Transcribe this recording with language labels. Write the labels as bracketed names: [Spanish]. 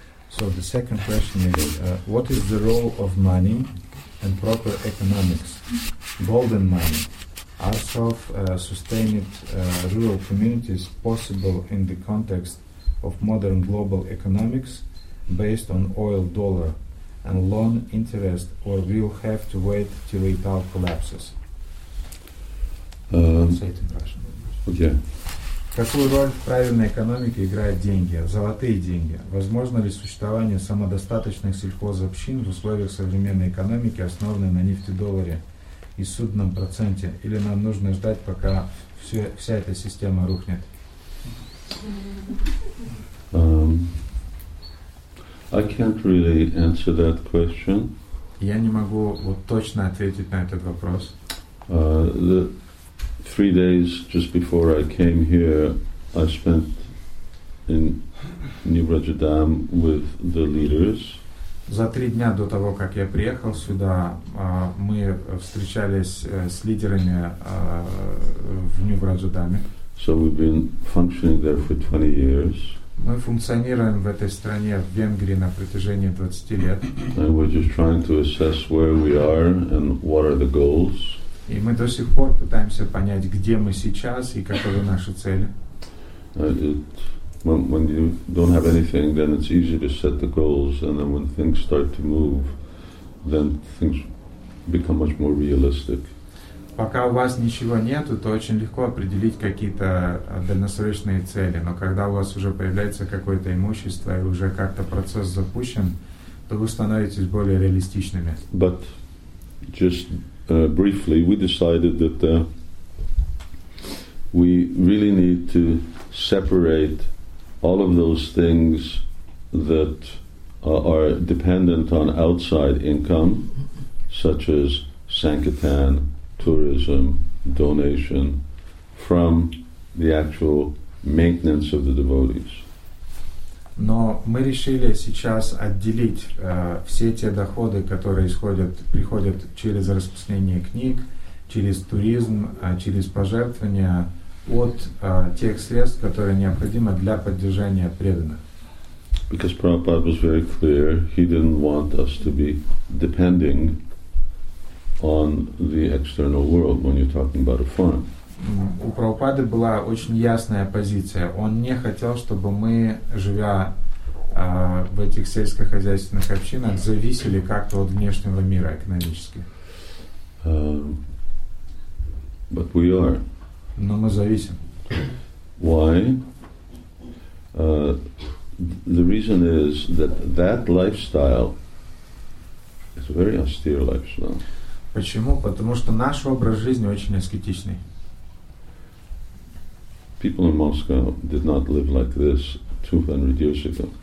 [English] So the second question is, what is the role of money and proper economics, golden money, as of sustained rural communities possible in the context of modern global economics based on oil dollar and loan interest, or will have to wait till it all collapses? Say it in Russian. [Russian] Какую роль в правильной экономике играют деньги, золотые деньги? Возможно ли существование самодостаточных сельхозобщин в условиях современной экономики, основанной на нефтедолларе и судном проценте? Или нам нужно ждать, пока вся эта система рухнет? [English] I can't really answer that question. [Russian] Я не могу вот точно ответить на этот вопрос. [English] Three days just before I came here, I spent in New Rajadam with the leaders. [Russian] За три дня до того, как я приехал сюда, мы встречались с лидерами в New Rajadam. [English] So we've been functioning there for 20 years. [Russian] Мы функционируем в этой стране, в Венгрии, на протяжении 20 лет. [English] And we're just trying to assess where we are and what are the goals. [Russian] И мы до сих пор пытаемся понять, где мы сейчас и каковы наши цели. [English] When you don't have anything, then it's easy to set the goals, and then when things start to move, then things become much more realistic. [Russian] Пока у вас ничего нету, то очень легко определить какие-то дальносрочные цели. Но когда у вас уже появляется какое-то имущество и уже как-то процесс запущен, то вы становитесь более реалистичными. [English] But just briefly, we decided that we really need to separate all of those things that are dependent on outside income, such as Sankatan, tourism, donation, from the actual maintenance of the devotees. [Russian] Но мы решили сейчас отделить все те доходы, которые приходят через распространение книг, через туризм, через пожертвования, от тех средств, которые необходимы для поддержания преданных. [English] Because Prabhupada was very clear, he didn't want us to be depending on the external world when you're talking about a farm. [Russian] У Прабхупады была очень ясная позиция. Он не хотел, чтобы мы, живя в этих сельскохозяйственных общинах, зависели как-то от внешнего мира экономически. [English] But we are. [Russian] Но мы зависим. [English] Why? The reason is that that lifestyle is a very austere lifestyle. [Russian] Почему? Потому что наш образ жизни очень аскетичный. [English] People in Moscow did not live like this 200 years ago.